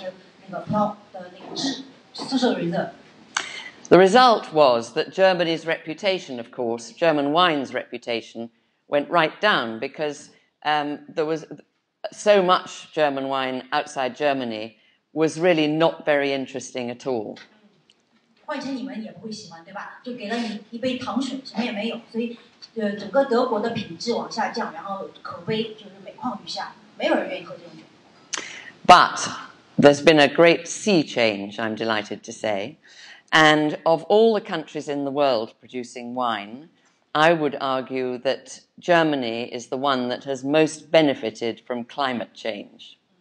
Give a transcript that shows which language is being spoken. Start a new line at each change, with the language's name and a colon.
Chinese: 所以你看，就是各种各样的人为的在里面倒腾来倒腾去，对吧？就是本身，莫勒萨博并不是一个特别出色的品种。那怎么办呢？然后他们又在里面加上了Ortega。那这个品种虽然没有太多的好的味道和香气，但是可以给到很好的糖度。但是总的来讲，就是这酒是比较寡淡的，还那么在这样一个国家里面，这个气候实在是太寒凉了，所以他们就会在最后呢加上一些那个葡萄的那个汁，宿舍的。
English: The result was that Germany's reputation, of course, German wine's reputation, went right down because there was so much German wine outside Germany was really not very interesting at all.
Chinese: 换成你们也不会喜欢，对吧？就给了你一杯糖水，什么也没有，所以整个德国的品质往下降，然后口碑就是每况愈下，没有人愿意喝这种酒。But
English: there's been a great sea change, I'm delighted to say. And of all the countries in the world producing wine, I would argue that Germany is the one that has most benefited from climate change.